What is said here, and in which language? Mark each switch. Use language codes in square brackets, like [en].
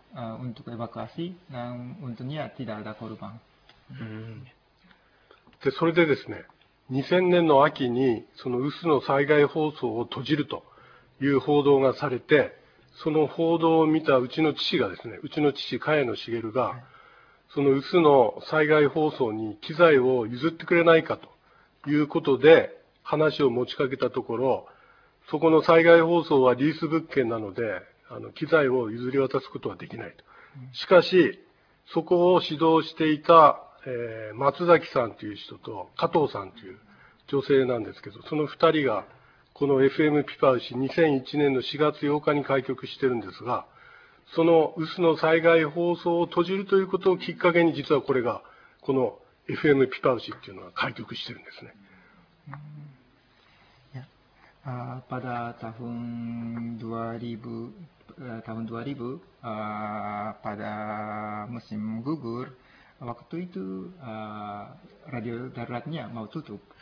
[id] Untuk evakuasi dan untungnya tidak ada korban. [ja] でそれでですね、2000年の秋にその有珠の災害放送を閉じるという報道がされて、その報道を見たうちの父がですね、うちの父茅野茂が、はい、その有珠の災害放送に機材を譲ってくれないかということで話を持ちかけたところ、そこの災害放送はリース物件なので、あの機材を譲り渡すことはできないと。しかしそこを指導していた、松崎さんという人と加藤さんという女性なんですけど、その2人がこの FM ピパウシ2001年の4月8日に開局してるんですが、その有珠の災害放送を閉じるということをきっかけに、実はこれがこの FM ピパウシっていうのが開局してるんですね。 [id] Pada tahun 2000, tahun 2000, pada musim gugur, waktu itu radio daratnya mau tutup.